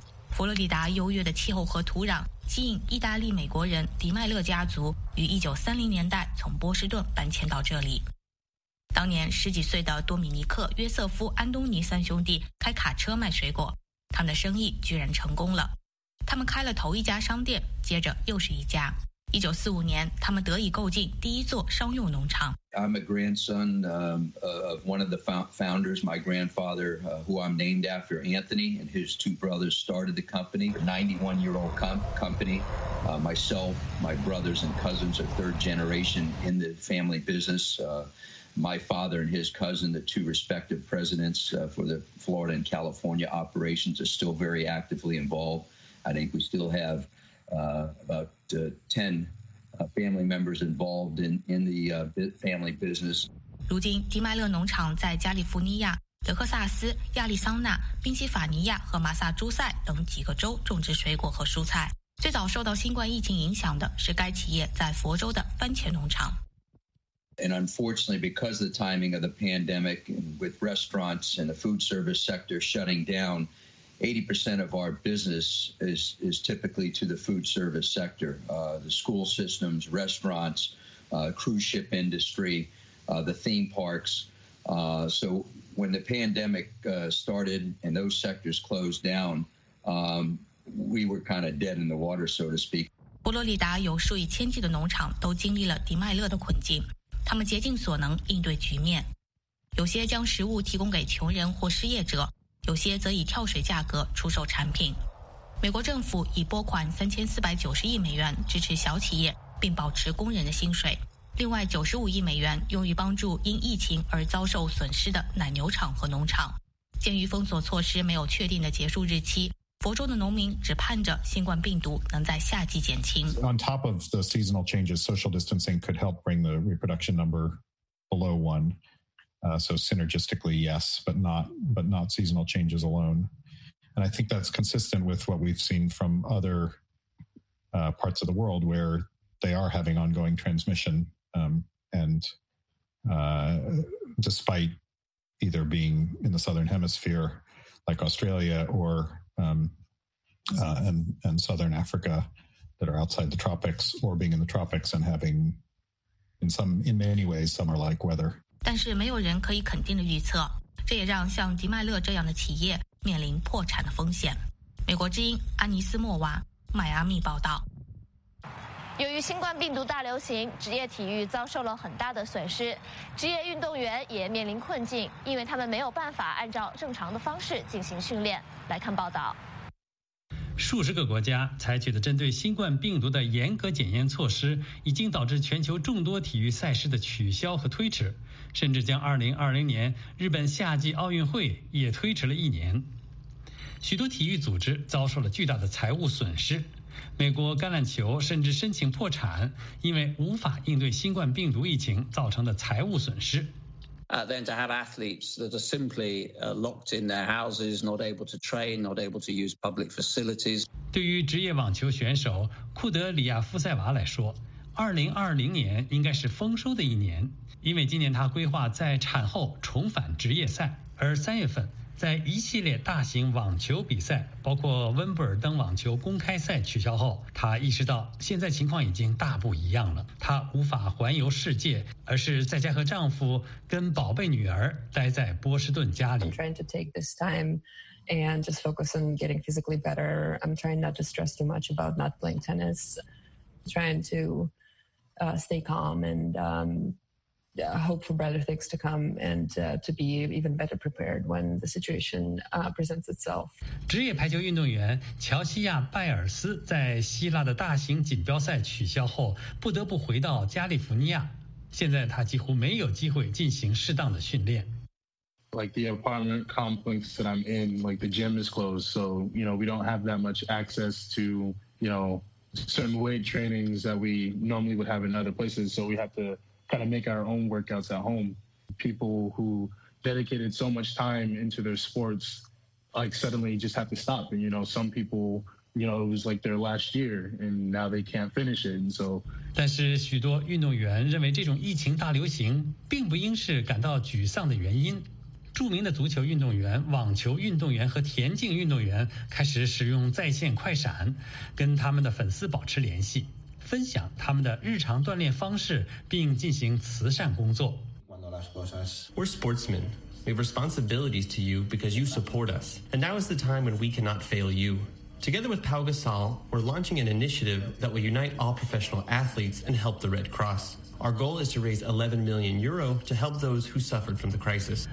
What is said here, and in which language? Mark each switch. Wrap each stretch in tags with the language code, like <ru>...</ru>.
<zh>佛罗里达优越的气候和土壤吸引意大利美国人迪麦勒家族于1930年代从波士顿搬迁到这里。当年十几岁的多米尼克、约瑟夫、安东尼三兄弟开卡车卖水果，他们的生意居然成功了。他们开了头一家商店，接着又是一家。1945年，他们得以购进第一座商用农场。</zh> <en>I'm a grandson of one of the founders. My grandfather, who I'm named after, Anthony, and his two brothers started the company. A 91-year-old company. Myself, my brothers and cousins are third generation in the family business. My father and his cousin, the two respective presidents for the Florida and California operations, are still very actively involved. I think we still have about 10 family members involved in the family business.</en> <zh>如今，迪麦勒农场在加利福尼亚德克萨斯、亚利桑那、宾夕法尼亚和马萨诸塞等几个州种植水果和蔬菜。最早受到新冠疫情影响的是该企业在佛州的番茄农场。</zh> <en>And unfortunately, because of the timing of the pandemic, with restaurants and the food service sector shutting down, 80% of our business is typically to the food service sector, the school systems, restaurants, cruise ship industry, the theme parks. So when the pandemic started and those sectors closed down, we were kind of dead in the water, so to speak.</en> <zh>佛罗里达有数以千计的农场都经历了迪麦勒的困境。他们竭尽所能应对局面，有些将食物提供给穷人或失业者，有些则以跳水价格出售产品。美国政府已拨款3490亿美元支持小企业，并保持工人的薪水。另外95亿美元用于帮助因疫情而遭受损失的奶牛场和农场。鉴于封锁措施没有确定的结束日期，佛州的农民只盼着新冠病毒能在夏季减轻。</zh> <en>On top of the seasonal changes, social distancing could help bring the reproduction number below one. So synergistically, yes, but not seasonal changes alone. And I think that's consistent with what we've seen from other parts of the world where they are having ongoing transmission. Despite either being in the southern hemisphere, like Australia or and southern Africa that are outside the tropics or being in the tropics and having in many ways summer-like weather.</en> <zh>但是没有人可以肯定的预测，这也让像迪麦勒这样的企业面临破产的风险。美国之音安妮斯莫娃迈阿密报道。由于新冠病毒大流行，职业体育遭受了很大的损失，职业运动员也面临困境，因为他们没有办法按照正常的方式进行训练。来看报道。数十个国家采取的针对新冠病毒的严格检验措施已经导致全球众多体育赛事的取消和推迟，甚至将2020年日本夏季奥运会也推迟了一年。许多体育组织遭受了巨大的财务损失，美国橄榄球甚至申请破产，因为无法应对新冠病毒疫情造成的财务损失。</zh> <en>Then to have athletes that are simply locked in their houses, not able to train, not able to use public facilities.</en> <zh>对于职业网球选手库德里亚夫塞娃来说，2020年应该是丰收的一年，因为今年他规划在产后重返职业赛，而三月份在一系列大型网球比赛，包括温布尔登网球公开赛取消后，他意识到现在情况已经大不一样了。他无法环游世界，而是在家和丈夫跟宝贝女儿待在波士顿家里。</zh> <en>I'm trying to take this time and just focus on getting physically better. I'm trying not to stress too much about not playing tennis. Trying to stay calm and hope for better things to come and to be even better prepared when the situation presents itself.</en> <zh>职业排球运动员乔西亚·拜尔斯在希腊的大型锦标赛取消后，不得不回到加利福尼亚。现在他几乎没有机会进行适当的训练。</zh> <en>Like the apartment complex that I'm in, like the gym is closed, so you know we don't have that much access to you know certain weight trainings that we normally would have in other places, so we have to. Kind of make our own workouts at home. People who dedicated so much time into their sports, like suddenly just have to stop. And you know, some people, you know, it was like their last year, and now they can't finish it. And so,</en> <zh>但是许多运动员认为这种疫情大流行并不应是感到沮丧的原因。著名的足球运动员、网球运动员和田径运动员开始使用在线快闪，跟他们的粉丝保持联系。分享他们的日常锻炼方式，并进行慈善工作。</zh> <en>We're sportsmen. We have responsibilities to you because you support us. And now is the time when we cannot fail you. Together with Pau Gasol, we're launching an initiative that will unite all professional athletes and help the Red Cross. Our goal is to raise 11 million euro to help those who suffered from the crisis.</en>